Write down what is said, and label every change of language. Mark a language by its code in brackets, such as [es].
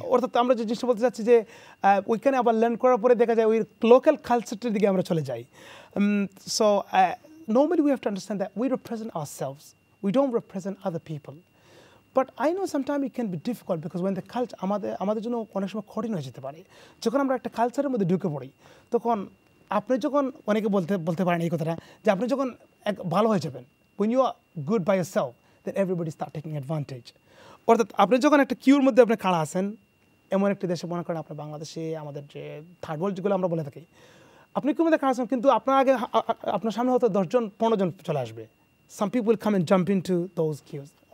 [bn] Or that আমরা যেটা বলতে চাচ্ছি যে [en] we can have a learn [bn] করার পরে দেখা যায় ওই local culture টির দিকে আমরা চলে যাই. [en] So normally we have to understand that we represent ourselves. We don't represent other people. But I know sometimes it can be difficult because when the culture [bn] আমাদের জন্য অনেক সময় কঠিন হয়ে যেতে পারে. যখন আমরা একটা কালচারের মধ্যে ঢুকে পড়ি তখন আপনি যখন অনেকে বলতে পারেন এই কথাটা যে আপনি যখন এক ভালো হয়ে যাবেন [en] when you are good by yourself then everybody start taking advantage [bn] অর্থাৎ আপনি যখন একটা কিউর মধ্যে আপনি খাড়া আছেন এমন একটি দেশে মনে করেন আপনি বাংলাদেশে আমাদের যে থার্ড ওয়ার্ল্ড যেগুলো আমরা বলে থাকি আপনি কিউর মধ্যে খাড়া আছেন কিন্তু আপনার আগে আপনার সামনে হয়তো 10 জন 15 জন চলে আসবে [en] Some people will come and jump into those queues.